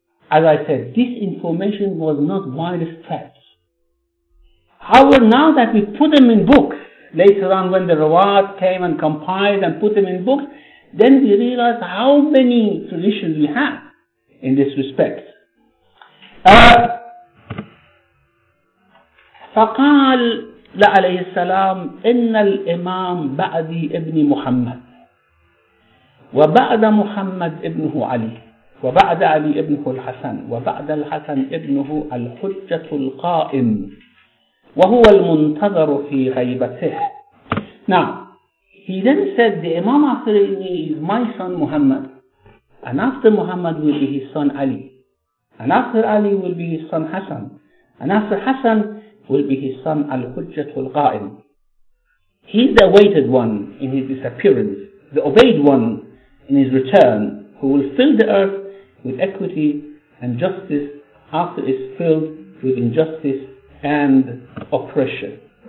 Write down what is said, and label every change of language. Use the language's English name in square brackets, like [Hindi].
[English] As I said, this information was not widespread. However, now that we put them in books, later on when the Rawat came and compiled and put them in books, then we realized how many traditions we have in this respect. [Arabic] فقال عليه السلام إن الإمام بعدي ابن محمد وبعد محمد ابنه علي وبعد علي ابنه الحسن وبعد الحسن ابنه الحجة القائم وهو المنتظر في غيبته. [English] Now he then said the Imam after me is my son Muhammad, and after Muhammad will be his son Ali, and after Ali will be his son Hassan, and after Hassan will be his son Al-Hujjat Al-Qa'im. He's the awaited one in his disappearance, the obeyed one in his return, who will fill the earth with equity and justice after it's filled with injustice and oppression.